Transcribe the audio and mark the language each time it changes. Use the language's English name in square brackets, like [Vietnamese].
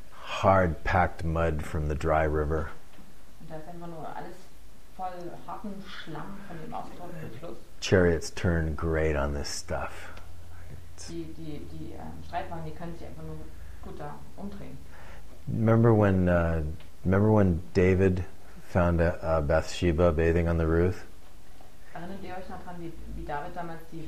[English] Hard packed mud from the dry river. [German] Und da ist einfach nur alles voll harten Schlamm von dem austrocknenden Fluss. [English] Chariots turn great on this stuff. [German] Die Streitwagen, die können sich einfach nur gut da umdrehen. [English] Remember when David found a Bathsheba bathing on the roof? [German] Erinnert ihr euch noch dran, wie David damals